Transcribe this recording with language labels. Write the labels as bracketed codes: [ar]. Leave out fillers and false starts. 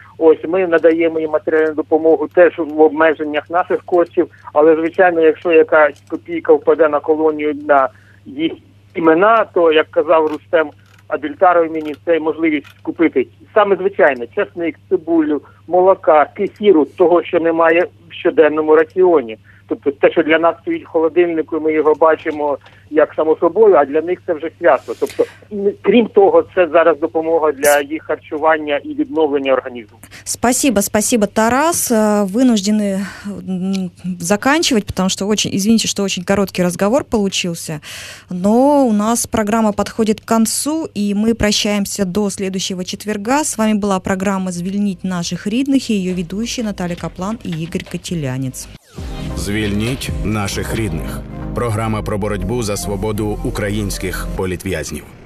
[uk] Ось, ми надаємо їм матеріальну допомогу теж в обмеженнях наших коштів, але, звичайно, якщо якась копійка впаде на колонію на їх імена, то, як казав Рустем Абільтаров мені, це можливість купити саме звичайне, чесник, цибулю, молока, кефіру, того, що немає в щоденному раціоні. Тобто те, що для нас стоїть в холодильнику, ми його бачимо як само собою, а для них це вже свято. Тобто, крім того, це зараз допомога для їх харчування і відновлення організму. [ru] Спасибо, спасибо, Тарас. Вынуждены заканчивать, потому что извините, что очень короткий разговор получился. Но у нас программа подходит к концу, и мы прощаемся до следующего четверга. С вами была программа «Звільніть наших рідних» и ее ведущие Наталья Каплан и Игорь Котелянец. [uk] «Звільніть наших рідних» – програма про боротьбу за свободу українських політв'язнів.